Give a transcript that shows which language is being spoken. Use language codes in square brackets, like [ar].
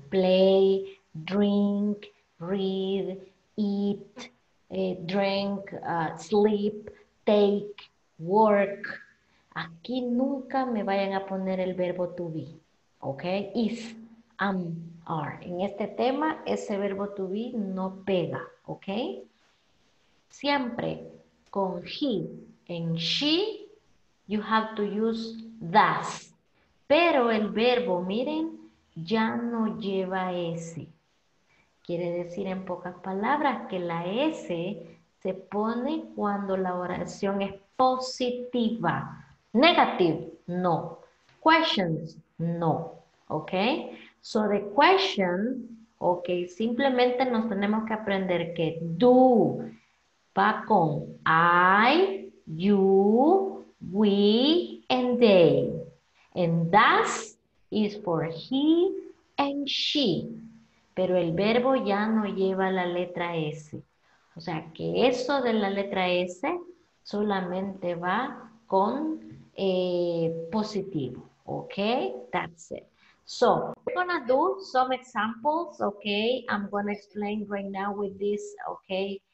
[en] Play, drink, read, eat, drink, sleep, take, work. [es] Aquí nunca me vayan a poner el verbo to be, ¿ok? Is, am, are. En este tema, ese verbo to be no pega, ¿ok? Siempre con [en] he and she, you have to use does. [es] Pero el verbo, miren, ya no lleva S. Quiere decir en pocas palabras que la S se pone cuando la oración es positiva. [en] Negative, no. Questions, no. Ok. So the question, [es] ok, simplemente nos tenemos que aprender que do va con [en] I, you, we, and they. And does is for he and she. [es] Pero el verbo ya no lleva la letra S. O sea que eso de la letra S solamente va con positivo. [en] Ok, that's it. So, we're going to do some examples, okay? I'm going to explain right now with this, okay?